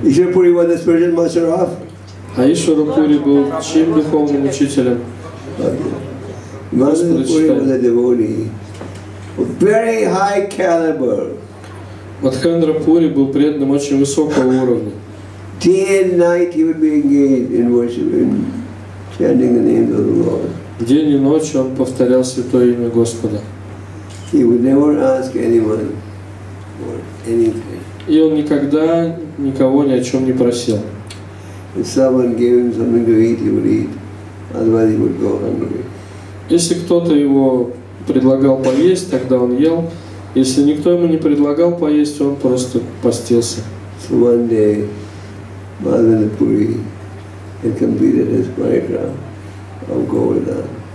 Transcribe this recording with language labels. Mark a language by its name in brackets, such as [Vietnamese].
[English] Ишвара Пури was the spiritual master of? [Russian] А Ишвара Пури был чьим духовным учителем? [English] Мадхавендра Пури was a devotee of very high caliber. [Russian] Мадхавендра Пури был преданным очень высокого уровня. [English] Day and night he would be engaged in worshiping, chanting the name of the Lord. [Russian] День и ночь он повторял святое имя Господа. [English] He would never ask anyone for anything. [Russian] И он никогда никого ни о чем не просил. [English] If someone gave him something to eat, he would eat. Otherwise, he would go hungry. [Russian] Если кто-то его предлагал поесть, тогда он ел. Если никто ему не предлагал поесть, он просто постился. [English] So one day Мадхавендра Пури had completed his program of Govardhan.